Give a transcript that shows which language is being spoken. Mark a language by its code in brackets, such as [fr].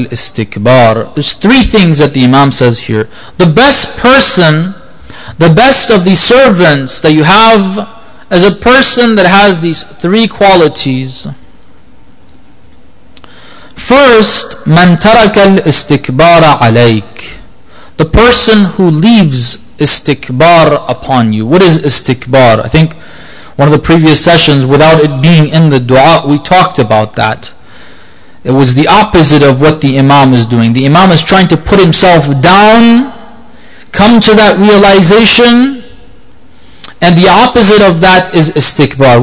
[en] There's three things that the Imam says here. The best person, the best of the servants that you have, as a person that has these three qualities. First, [ar] من ترك الاستكبار عليك. [en] The person who leaves istikbar upon you. What is istikbar? I think one of the previous sessions, without it being in the dua, we talked about that. It was the opposite of what the Imam is doing. The Imam is trying to put himself down, come to that realization, and the opposite of that is istikbar.